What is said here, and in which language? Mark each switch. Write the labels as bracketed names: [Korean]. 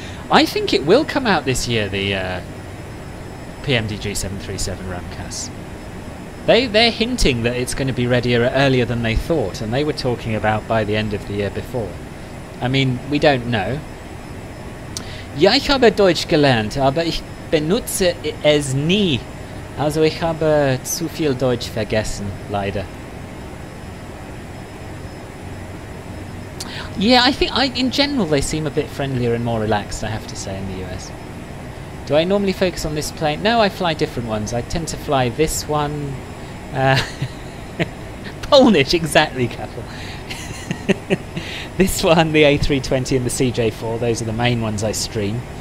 [English] I think it will come out this year, the PMDG 737 Ramkas. They're hinting that it's going to be ready earlier than they thought, and they were talking about by the end of the year before. I mean, we don't know. [German] Ja, ich habe Deutsch gelernt, aber ich benutze es nie. Also ich habe zu viel Deutsch vergessen, leider. [English] Yeah, I think, in general, they seem a bit friendlier and more relaxed, I have to say, in the US. Do I normally focus on this plane? No, I fly different ones. I tend to fly this one. Polnisch, exactly, Kapil. This one, the A320 and the CJ4, those are the main ones I stream.